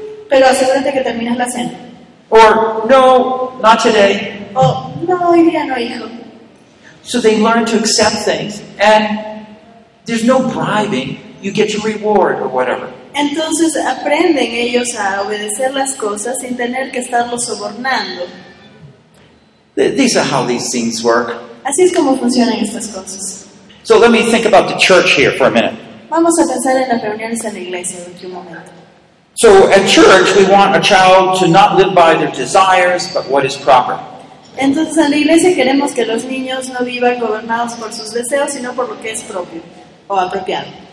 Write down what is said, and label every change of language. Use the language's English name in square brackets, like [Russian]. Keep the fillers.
[Spanish] pero asegúrate que terminas la cena. [English] o no, not today. Oh, [Spanish] no, hoy día no, hijo. [English] So they learn to accept things. And there's no bribing. You get your reward or whatever. [Spanish] Entonces aprenden ellos a obedecer las cosas sin tener que estarlo sobornando. [English] These are how these things work. [Spanish] Así es como funcionan estas cosas. [English] So let me think about the church here for a minute. [Spanish] Vamos a pensar en las reuniones en la iglesia en un momento. [English] So at church we want a child to not live by their desires but what is proper. [Spanish] Entonces en la iglesia queremos que los niños no vivan gobernados por sus deseos, sino por lo que es propio o apropiado.